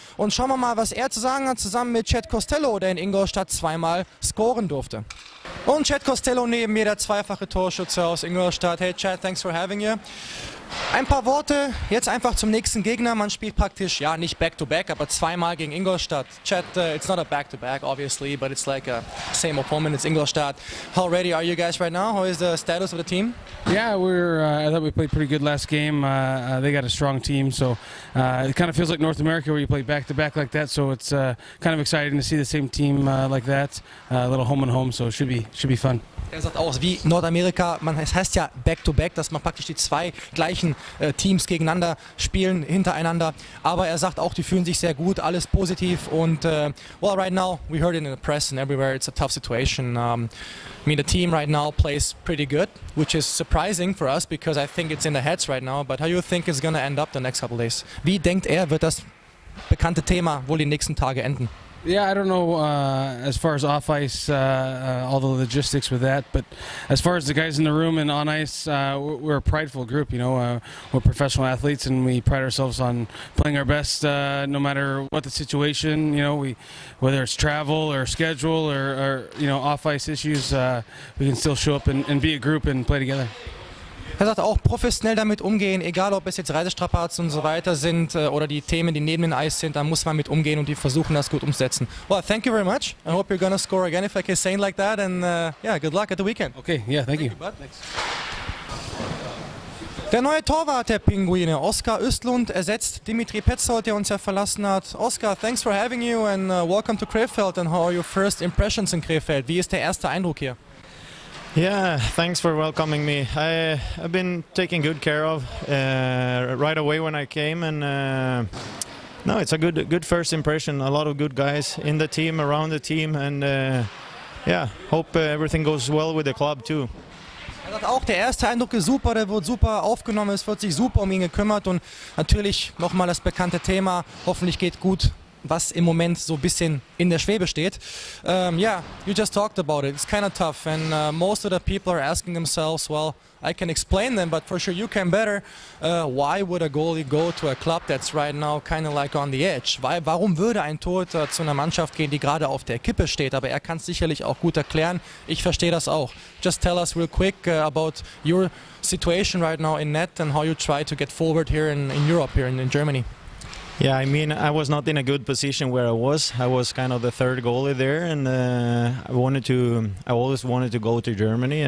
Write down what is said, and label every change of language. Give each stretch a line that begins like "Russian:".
German: Und schauen wir mal, was er zu sagen hat, zusammen mit Chad Costello, der in Ingolstadt zweimal scoren durfte. Und Chad Costello neben mir, der zweifache Torschütze aus Ingolstadt.
English: Hey Chad, thanks for having you.
German: Ein paar Worte jetzt einfach zum nächsten Gegner. Man spielt praktisch, ja, nicht back-to-back, aber zweimal gegen Ingolstadt.
English: Chad, it's not a back-to-back, obviously, but it's like a same opponent, it's Ingolstadt. How ready are you guys right now? How is the status of the team? Yeah, I thought we played pretty good last game. They got a strong team, so it kind of feels like North America where you play back-to-back like that, so it's kind of exciting to see the same team like that. A little home and home, so it should be fun.
German: Er sagt auch, wie Nordamerika, es heißt ja Back-to-Back, dass man praktisch die zwei gleichen Teams gegeneinander spielen, hintereinander. Aber er sagt auch, die fühlen sich sehr gut, alles positiv.
English: Und, well, right now, we heard it in the press and everywhere, it's a tough situation. I mean, the team right now plays pretty good, which is surprising for us, because I think it's in the heads right now. But how do you think it's going to end up the next couple days?
German: Wie denkt er, wird das bekannte Thema wohl die nächsten Tage enden?
English: Yeah, I don't know as far as off ice, all the logistics with that, but as far as the guys in the room and on ice, we're a prideful group, you know. We're professional athletes and we pride ourselves on playing our best no matter what the situation, you know, whether it's travel or schedule or you know, off ice issues, we can still show up and be a group and play together.
German: Er sagt auch, professionell damit umgehen, egal ob es jetzt Reisestrapazen und so weiter sind oder die Themen, die neben dem Eis sind, da muss man mit umgehen und die versuchen das gut umsetzen.
English: Well, thank you very much. I hope you're gonna score again if I can say it like that. And yeah, good luck at the weekend. Okay, yeah, thank you.
German: Der neue Torwart der Pinguine, Oskar Östlund, ersetzt Dimitri Petzold, der uns ja verlassen hat.
English: Oskar, thanks for having you and welcome to Krefeld. And how are your first impressions in Krefeld?
German: Wie ist der erste Eindruck hier?
English: Yeah, thanks for welcoming me. I've been taken good care of right away when I came, and no, it's a good first impression. A lot of good guys in the team, around the team, and yeah, hope everything goes well with the club too.
German: Er sagt auch, der erste Eindruck ist super, der wird super aufgenommen, es wird sich super um ihn gekümmert und natürlich nochmal das bekannte Thema, hoffentlich geht gut. Was im Moment so ein bisschen in der Schwebe steht.
English: Yeah, you just talked about it. It's kind of tough, and most of the people are asking themselves, well, I can explain them, but for sure you can better. Why would a goalie go to a club that's right now kind of like on the edge?
German: Warum würde ein Torhüter zu einer Mannschaft gehen, die gerade auf der Kippe steht? Aber er kann es sicherlich auch gut erklären. Ich verstehe das auch.
English: Just tell us real quick about your situation right now in net and how you try to get forward here in Europe, here in Germany. Yeah, I mean, I was not in a good position where I was. I was kind of the third goalie there, and I always wanted to go to Germany.